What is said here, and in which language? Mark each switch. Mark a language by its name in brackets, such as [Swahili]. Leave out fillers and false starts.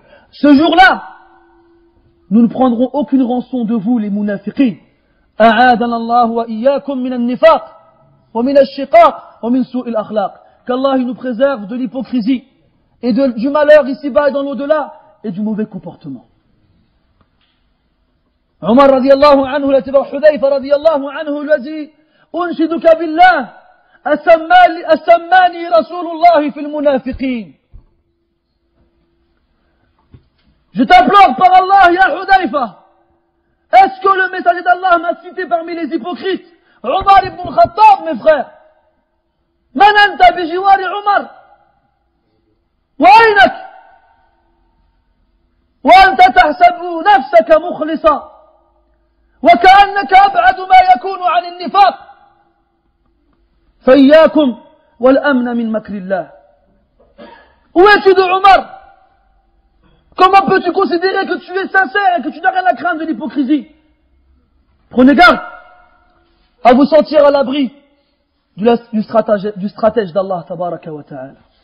[French] Ce jour-là, nous ne prendrons aucune rançon de vous, les munafiqin. [Arabic] أعاذنا الله وإياكم من النفاق ومن الشقاق ومن سوء الأخلاق. [French] Qu'Allah nous préserve de l'hypocrisie et du malheur ici-bas et dans l'au-delà et du mauvais comportement. [Arabic] عمر رضي الله عنه لا تبع حذيفة رضي الله عنه الذي أنشدك بالله أسماني رسول الله في المنافقين. [French] Je t'implore par Allah, [Arabic] يا حذيفة. [French] Est-ce que le messager d'Allah m'a cité parmi les hypocrites? [Arabic] عمر ابن الخطاب, [French] mes frères. [Arabic] من أنت بجوار عمر؟ وأينك؟ وأنت تحسب نفسك مخلصا؟ وكأنك أبعد ما يكون عن النفاق. فإياكم والأمن من مكر الله. [French] Où es-tu عمر؟ Comment peux-tu considérer que tu es sincère et que tu n'as rien à craindre de l'hypocrisie? Prenez garde à vous sentir à l'abri du stratège d'Allah tabaraka wa ta'ala.